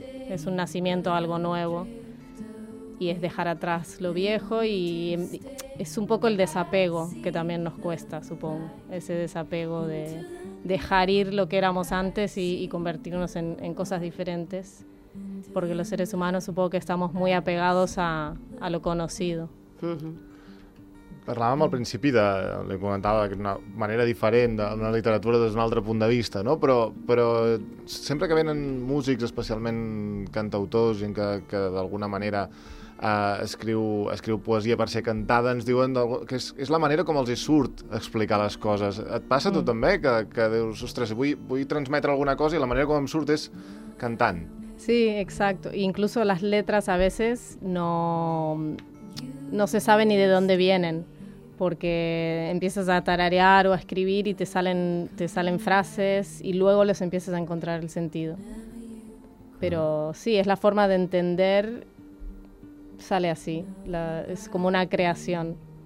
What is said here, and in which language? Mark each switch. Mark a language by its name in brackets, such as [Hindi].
[Spanish] Es un nacimiento a algo nuevo. Y es dejar atrás lo viejo, y es un poco el desapego que también nos cuesta, supongo. Ese desapego de dejar ir lo que éramos antes y convertirnos en cosas diferentes. Porque los seres humanos, supongo que estamos muy apegados a lo conocido. [Catalan] Parlàvem al principi, li comentava, que és una manera diferent d'una literatura des d'un altre punt de vista, no? Però sempre que venen músics, especialment cantautors, gent que d'alguna manera escriu poesia per ser cantada, ens diuen que és la manera com els hi surt explicar les coses. Et passa tu també que dius, ostres, vull transmetre alguna cosa, i la manera com em surt és cantant? [Spanish] Sí, exacto. Incluso las letras a veces no se sabe ni de dónde vienen, porque empiezas a tararear o a escribir y te salen frases, y luego les empiezas a encontrar el sentido. Pero sí, es la forma de entender, sale así, es como una creación.